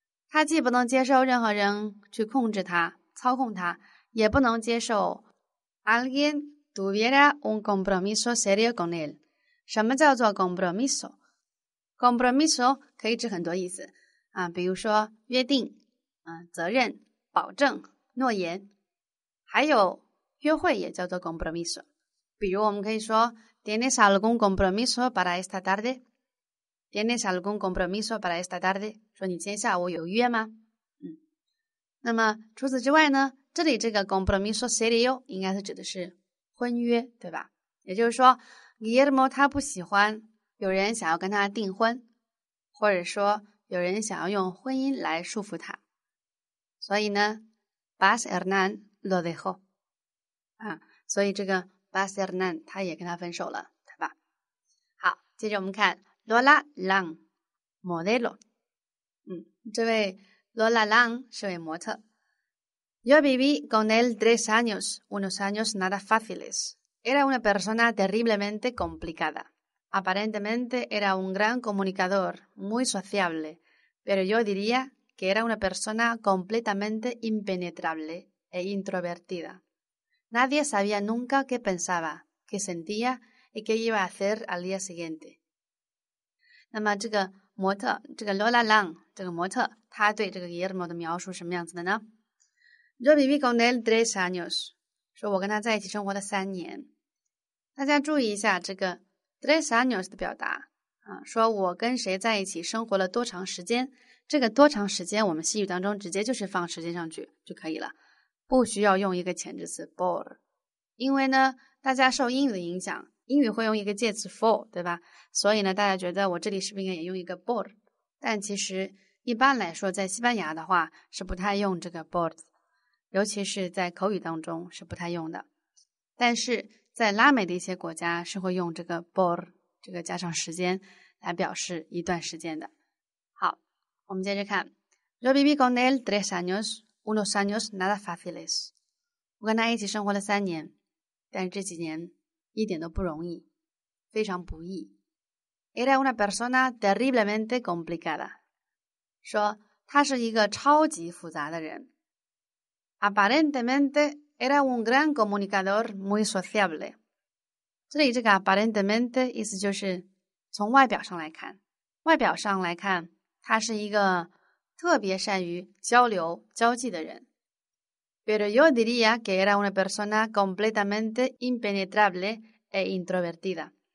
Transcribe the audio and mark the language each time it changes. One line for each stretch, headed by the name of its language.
Chinese: 他既不能接受任何人去控制他、操控他，也不能接受
Spanish: alguien tuviera un compromiso serio con él.
Chinese: 什么叫做 compromiso? Compromiso 可以指很多意思啊，比如说约定、责任、保证、诺言，还有约会也叫做 compromiso。
Spanish: 比如我们可以说 ¿Tienes algún compromiso para esta tarde? ¿Tienes algún compromiso para esta tarde?
Chinese: 说你今天下午有约吗？那么除此之外呢，这里这个
Spanish: compromiso serio
Chinese: 应该是指的是婚约，对吧？也就是说 Guillermo 他不喜欢有人想要跟他订婚，或者说有人想要用婚姻来束缚他。所以呢 Bas Hernán
Spanish: lo dejó、
Chinese: 啊、所以这个 Bas Hernán 他也跟他分手了对吧好接着我们看 Lola Lang modelo、嗯、这位 Lola Lang 是位模特
Spanish: Yo viví con él 3 años, unos años nada fáciles. Era una persona terriblemente complicada. Aparentemente era un gran comunicador, muy sociable, pero yo diría que era una persona completamente impenetrable e introvertida. Nadie sabía nunca qué pensaba, qué sentía y qué iba a hacer al día siguiente.
Chinese: 那么这个模特，这个 Lola Lang， 这个模特，他对这个 Guillermo 的描述什么样子的呢？
Spanish: Yo viví con él 3 años.
Chinese: 说我跟他在一起生活了三年。大家注意一下这个 tres años 的表达、啊、说我跟谁在一起生活了多长时间。这个多长时间我们西语当中直接就是放时间上去就可以了。不需要用一个前置词 por。因为呢大家受英语的影响英语会用一个介词 for, 对吧所以呢大家觉得我这里是不是应该也用一个 por。但其实一般来说在西班牙的话是不太用这个 por。尤其是在口语当中是不太用的但是在拉美的一些国家是会用这个 por 这个加上时间来表示一段时间的好我们接着看
Spanish: Yo viví con él 3 años unos años nada fáciles
Chinese: 我跟他一起生活了三年但是这几年一点都不容易非常不易
Spanish: Era una persona terriblemente complicada
Chinese: 说他是一个超级复杂的人
Spanish: Aparentemente era un gran comunicador muy sociable.
Chinese: 这里这个 aparentemente 意思就是从外表上来看，外表上来看，他是一个特别善于交流、交际的人。
Spanish: Pero yo diría que era una persona completamente impenetrable e introvertida.